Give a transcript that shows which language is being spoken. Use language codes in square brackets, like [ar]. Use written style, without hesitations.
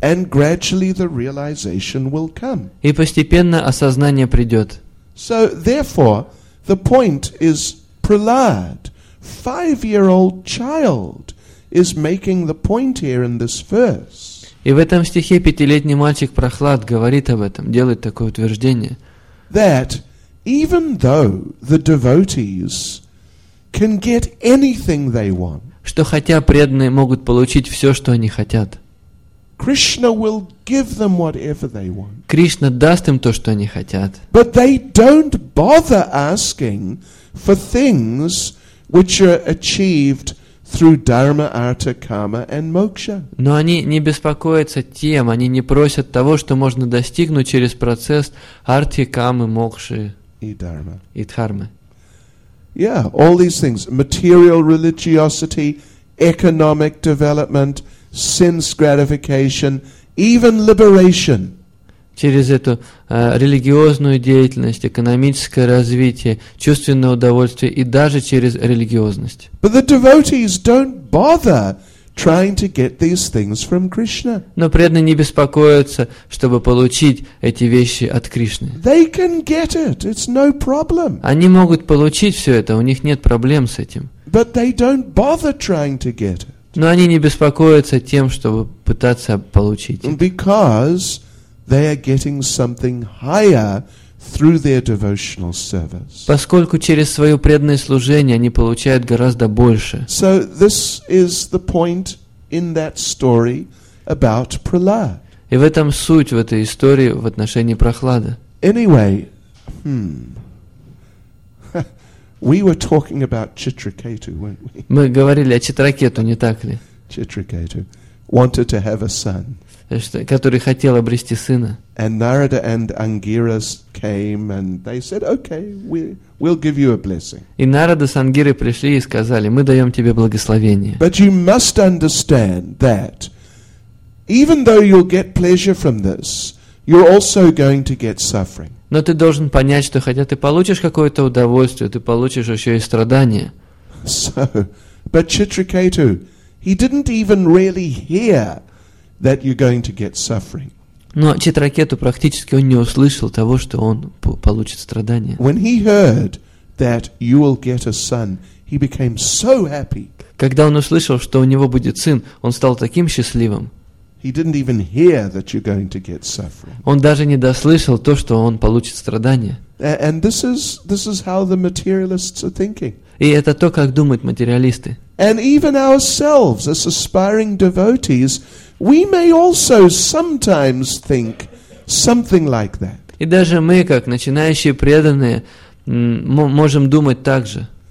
[en] And gradually the realization will come. [ru] И постепенно осознание придет. [en] So, therefore, the point is Prahlad, 5-year-old child, is making the point here in this verse. [ru] И в этом стихе 5-летний мальчик Прохлад говорит об этом, делает такое утверждение. [en] That even though the devotees can get anything they want. [ru] Что хотя преданные могут получить все, что они хотят. [en] Krishna will give them whatever they want. [ru] Кришна даст им то, что они хотят. [en] But they don't bother asking for things which are achieved through dharma, artha, karma, and moksha. [ru] Но они не беспокоятся тем, они не просят того, что можно достигнуть через процесс артхи, камы, мокши и дхармы. [en] Yeah, all these things: material religiosity, economic development, sense gratification, even liberation. [ru] Через эту религиозную деятельность, экономическое развитие, чувственное удовольствие и даже через религиозность. [en] But the devotees don't bother trying to get these things from Krishna. [ru] Но преданные не беспокоятся, чтобы получить эти вещи от Кришны. [en] They can get it. It's no problem. [ru] Они могут получить все это, у них нет проблем с этим. [en] But they don't bother trying to get it. [ru] Но они не беспокоятся тем, чтобы пытаться получить это. [en] Because they are getting something higher through their devotional service. [ru] Поскольку через свое преданное служение они получают гораздо больше. [en] So this is the point in that story about Prahlad. [ru] И в этом суть в этой истории в отношении Прохлада. [en] Anyway, we were talking about Chitraketu, weren't we? [ru] Мы говорили о Читракету, не так ли? [en] Chitraketu wanted to have a son. [ru] Который хотел обрести сына. [en] And Narada and Angiras came and they said, okay, we'll give you a blessing. [ru] И Нарада с Ангирой пришли и сказали, мы даем тебе благословение. [en] But you must understand that even though you'll get pleasure from this, you're also going to get suffering. [ru] Но ты должен понять, что хотя ты получишь какое-то удовольствие, ты получишь еще и страдания. [en] So, but Chitraketu, he didn't even really hear that you're going to get suffering. [ru] Но Читракету практически он не услышал того, что он получит страдания. [en] When he heard that you will get a son, he became so happy. [ru] Когда он услышал, что у него будет сын, он стал таким счастливым. [en] He didn't even hear that you're going to get suffering. [ru] Он даже не дослышал то, что он получит страдания. [en] And this is how the materialists are thinking. [ru] И это то, как думают материалисты. [en] And even ourselves as aspiring devotees, we may also sometimes think something like that. [ru] И даже мы, как начинающие преданные, можем думать так же.